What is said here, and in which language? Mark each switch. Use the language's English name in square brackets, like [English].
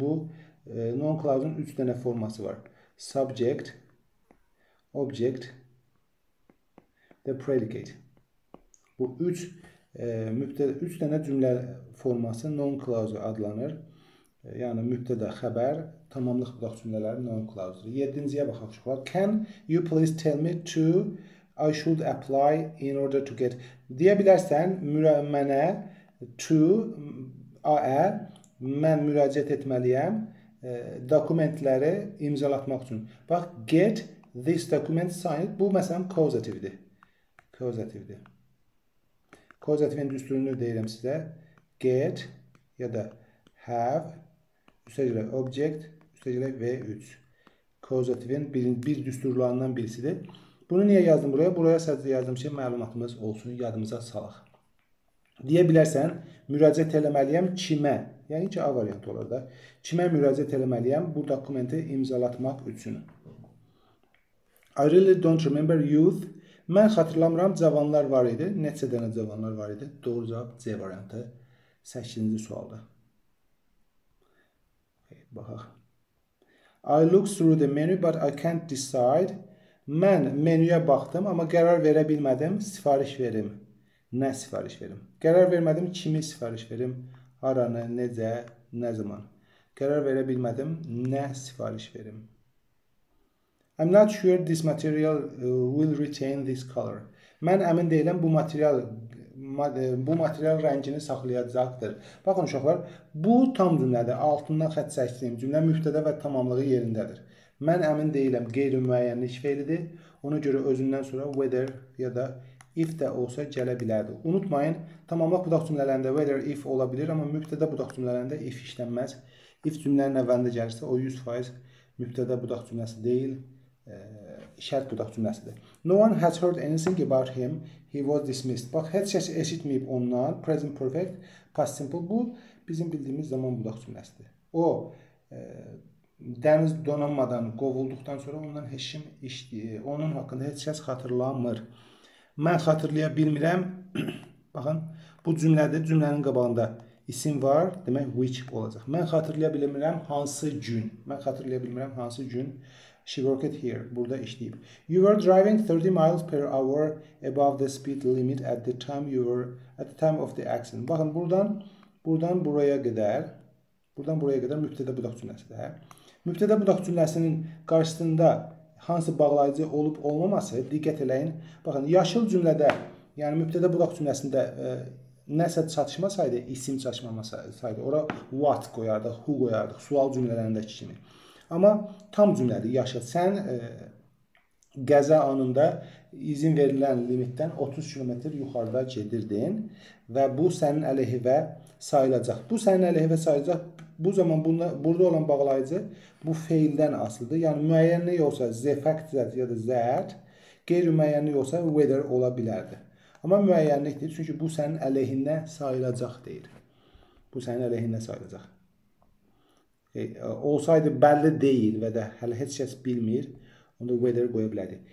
[Azerbaijani] Bu non klauzun 3 dənə forması var. [English] Subject, object, the predicate. [Azerbaijani] Bu 3 mübtəda 3 dənə cümlə forması non klauzə adlanır. Yəni mübtəda, xəbər, tamamlıq budaq cümlələri non klauzdur. 7-ciyə baxaq uşaqlar. [English] Can you please tell me to I should apply in order to get. [Azerbaijani] Deyə bilərsən mənə to AE mən müraciət etməliyəm dokumentləri imzalatmaq üçün. Bax [English] get this document signed. [Azerbaijani] Bu məsələn causative-dir. Causative-dir. Causative-in düzlüyünü deyirəm sizə. Get ya da have üstəgələ object üstəgələ V3. Causative-in bir düsturlarından birisidir. Bunu niyə yazdım buraya? Buraya sadəcə yazdım ki, məlumatımız olsun, yadımıza salaq. Deyə bilərsən, müraciət eləməliyəm kimə? Yəni ki, A variantı olar da. Kimə müraciət eləməliyəm bu dokumenti imzalatmaq üçün? [English] I really don't remember youth. [Azerbaijani] Mən xatırlamıram, cavanlar var idi. Neçə dənə cavanlar var idi? Doğru cavab C variantı. 8-ci sualdır. Baxaq. [English] I look through the menu, but I can't decide. [Azerbaijani] Mən menüye baxdım, ama karar verə bilmədim. Sifariş verim. Nə sifariş verim? Karar vermədim, kimi sifariş verim? Aranı, necə, nə zaman? Karar verə bilmədim, nə sifariş verim? [English] I'm not sure this material will retain this color. [Azerbaijani] Mən əmin deyiləm, bu material rəngini saxlayacaqdır. Baxın uşaqlar, bu tam cümlədir. Altından xətt çəkdim. Cümlə mübtəda və tamamlığı yerindədir. Mən əmin deyiləm, qeyri-müəyyənlik feilidir. Ona görə özündən sonra whether ya da if də olsa gələ bilərdi. Unutmayın, tamamlıq budaq cümlələrində whether, if ola bilir, amma mübtəda budaq cümlələrində if işlənməz. If cümlənin əvvəlində gəlirsə, o 100% mübtəda budaq cümləsi deyil, şərt budaq cümləsidir. [English] No one has heard anything about him. He was dismissed. [Azerbaijani] Bax, heç kəs eşitməyib ondan. Present perfect, past simple. Bu, bizim bildiyimiz zaman budaq cümləsidir. O, dəniz donanmadan qovulduqdan sonra ondan heç kim onun haqqında heç kəs xatırlamır. Mən xatırlaya bilmirəm. Baxın, bu cümlədə cümlənin qabağında isim var, demək which olacaq. Mən xatırlaya bilmirəm hansı gün. Mən xatırlaya bilmirəm hansı gün [English] she worked here. [Azerbaijani] Burada işləyib. [English] You were driving 30 miles per hour above the speed limit at the time you were at the time of the accident. [Azerbaijani] Baxın, buradan buraya qədər mübtədə budaq cümləsidir. Mübtədə budaq cümləsinin qarşısında hansı bağlayıcı olub olmaması diqqət eləyin. Baxın, yaşıl cümlədə, yəni mübtədə budaq cümləsində nəsə çatışmasaydı, isim çatışmamasaydı, ora what qoyardıq, who qoyardıq, sual cümlələrindəki kimi. Amma tam cümlədir, yaşıl. Sən qəza anında izin verilən limitdən 30 km yuxarıda gedirdin və bu sənin əleyhivə sayılacaq. Bu sənin əleyhivə sayılacaq. Bu zaman bunda, burada olan bağlayıcı bu feildən asılıdır. Yəni müəyyənlik olsa the fact that ya da that, qeyri-müəyyənlik olsa whether ola bilərdi. Amma müəyyənlikdir, çünki bu sənin əleyhinə sayılacaq deyir. Bu sənin əleyhinə sayılacaq. Olsaydı bəlli deyil və də hələ heç kəs bilmir, onda whether qoya bilərdi.